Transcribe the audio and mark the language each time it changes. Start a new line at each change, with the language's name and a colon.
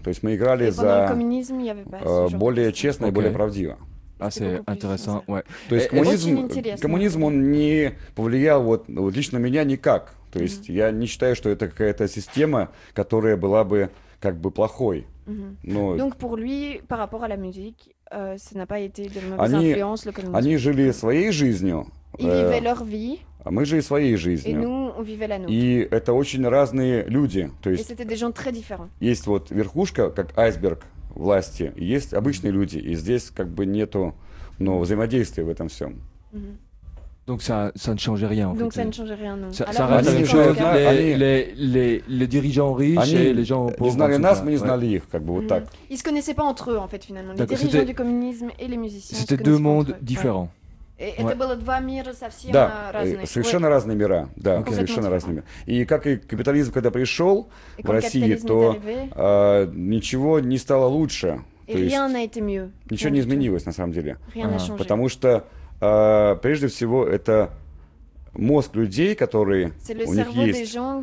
Russian: То есть мы играли за более честно и более правдиво. То есть коммунизм он не повлиял вот лично меня никак. То есть я не считаю, что это какая-то система, которая была бы как бы плохой.
French: Donc pour lui, par rapport à la musique, ça n'a pas été de mauvaise influence le communisme.
Russian: Они жили своей жизнью. А мы жили своей жизнью. И это очень разные люди. То есть есть вот верхушка, как айсберг власти, есть обычные люди, и здесь как бы нету, ну, взаимодействия в этом всем.
French: Donc ça ne change rien en Donc fait. Ça ne change rien, non. Ça reste la même chose. Les dirigeants riches
Russian: они
French: et les gens pauvres. Ils ne connaissaient pas, mais ils ne connaissaient pas. Comme ça. Ils se connaissaient pas entre eux en fait finalement. Les dirigeants du communisme et les musiciens. C'était deux mondes différents. Ouais.
Russian: Это было два мира совсем разных. Совершенно разные мира, да, совершенно разные мира. И как и капитализм, когда пришел в России, то ничего не стало лучше. То есть, ничего не изменилось на самом деле. Потому что прежде всего это мозг людей, который у них есть.